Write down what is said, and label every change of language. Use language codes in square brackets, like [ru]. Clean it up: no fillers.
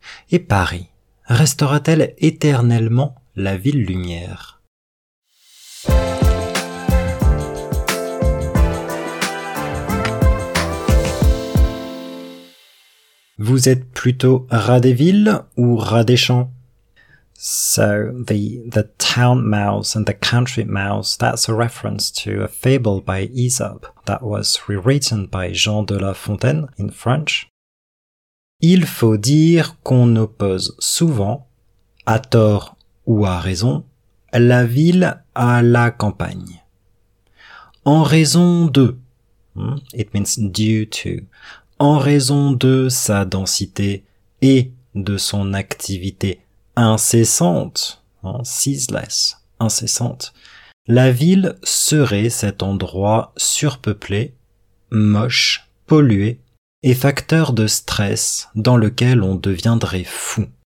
[fr] Et Paris restera-t-elle éternellement la ville lumière? Vous êtes plutôt rat des villes ou rat des champs? [en] So the town mouse and the country mouse, that's a reference to a fable by Aesop that was rewritten by Jean de La Fontaine in French. [fr] Il faut dire qu'on oppose souvent, à tort ou à raison, la ville à la campagne. En raison de, [en] it means due to, [fr] en raison de sa densité et de son activité incessante, hein, [en] ceaseless, [fr] incessante, la ville serait cet endroit surpeuplé, moche, pollué et facteur de stress dans lequel on deviendrait fou.